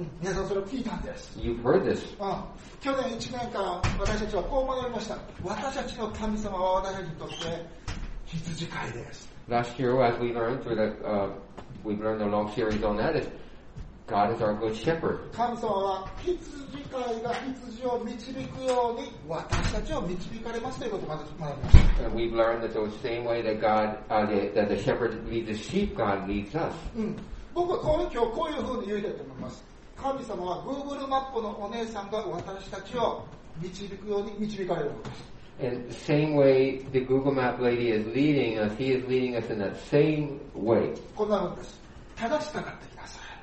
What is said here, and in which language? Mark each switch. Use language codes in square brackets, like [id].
[ja] 皆さんそれを聞いたんです。 [en] You've heard this. [ja] 去年1年間私たちはこう学びました。私たちの神様は私たちにとって羊飼いです。 [en] Last year, as we learned through that, we've learned a long series on that is,God is our good shepherd. [ja] 神様は羊飼いが羊を導くように私たちを導かれますということを学びました。 [en] And we've learned that the same way that God, that the shepherd leads the sheep, God leads us. [ja] 僕は今日こういうふうに言いたいと思います。神様は Google マップのお姉さんが私たちを導くように導かれるのです。 [en] And the same way the Google Map lady is leading us, He is leading us in that same way. [ja] こんなのです。正しかったです。